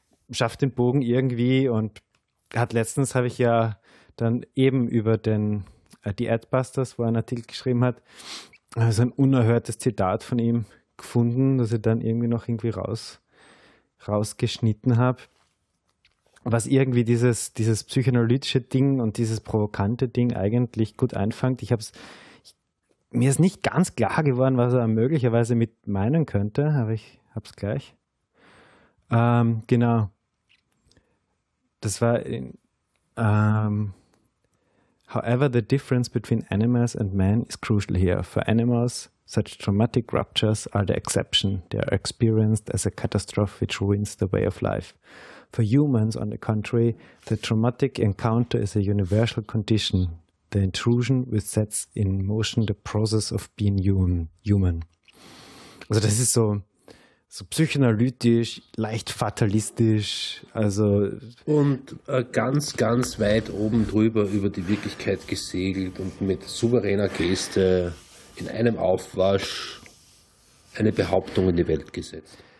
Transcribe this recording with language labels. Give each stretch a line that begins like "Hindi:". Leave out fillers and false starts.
German: schafft den Bogen irgendwie und hat letztens, habe ich ja dann eben über den die Adbusters, wo er einen Artikel geschrieben hat, also ein unerhörtes Zitat von ihm gefunden, das ich dann irgendwie noch irgendwie rausgeschnitten habe, was irgendwie dieses psychoanalytische Ding und dieses provokante Ding eigentlich gut einfängt. Mir ist nicht ganz klar geworden, was er möglicherweise mit meinen könnte, aber ich habe es gleich. Genau. Das war in
English: however, the difference between animals and man is crucial here. For animals, such traumatic ruptures are the exception. They are experienced as a catastrophe which ruins the way of life. For humans, on the contrary, the traumatic encounter is a universal condition, the intrusion which sets in motion the process of being human.
German: Also das ist so psychoanalytisch, leicht fatalistisch, also... Und ganz, ganz weit oben drüber über die Wirklichkeit gesegelt und mit souveräner Geste in einem Aufwasch eine Behauptung in die Welt gesetzt.